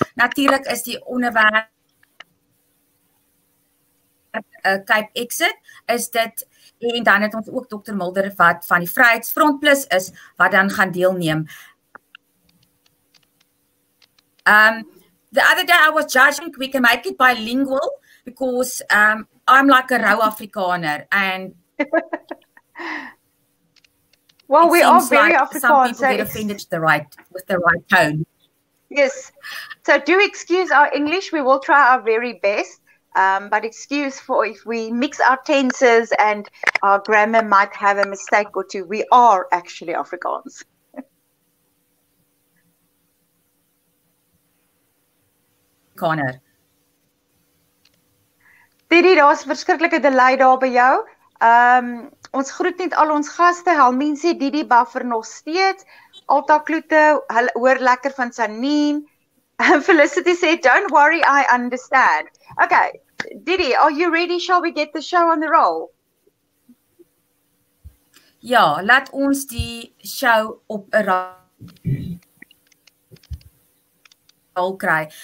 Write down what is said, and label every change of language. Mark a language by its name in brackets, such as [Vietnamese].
[Afrikaans] Natuurlijk is die onderwerp Cape Exit, is dit, en dan het ons ook dokter Mulder wat van die Vryheidsfront Plus is, wat dan gaan deelneem. [English] The other day I was judging we can make it bilingual, because I'm like a raw Afrikaner, and well, we are very like Afrikaans. Some people get offended with the right tone. Yes, so do excuse our English. We will try our very best, but excuse for if we mix our tenses and our grammar might have a mistake or two. We are actually Afrikaans. Corner. [Afrikaans] Didi, daar is verskriklike delay daar by jou. Ons groet net al ons gaste, Helmiensie, Didi Buffer nog steeds, Alta Kloete, hoor lekker van Sanien, Felicity sê, [English] don't worry, I understand. Okay, Didi, are you ready? Shall we get the show on the roll? [Afrikaans] Ja, laat ons die show op een rol kry.